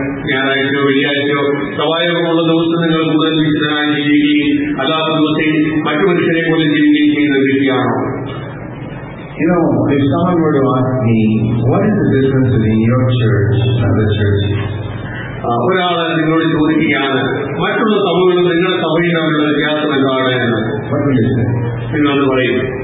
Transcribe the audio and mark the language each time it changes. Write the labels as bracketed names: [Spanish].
[Malayalam] ഞായറാഴ്ചയോ വെള്ളിയാഴ്ചയോ സ്വായമുള്ള ദിവസം നിങ്ങൾ കൂടുതൽ വിശുദ്ധനായി ജീവിക്കുകയും അല്ലാത്ത ദിവസത്തെയും മറ്റു മനുഷ്യരെ പോലെ ജീവിക്കുകയും ചെയ്യുന്ന വ്യക്തിയാണോ? [English] You know, if someone were to ask me, what is the difference between your church and other churches? [Malayalam] ഒരാളെ നിങ്ങളോട് ചോദിക്കുകയാണ് മറ്റുള്ള സഭകളും നിങ്ങളുടെ സഭയും തമ്മിലുള്ള വ്യത്യാസം എന്താണ് എന്ന് നിങ്ങളോട് പറയും.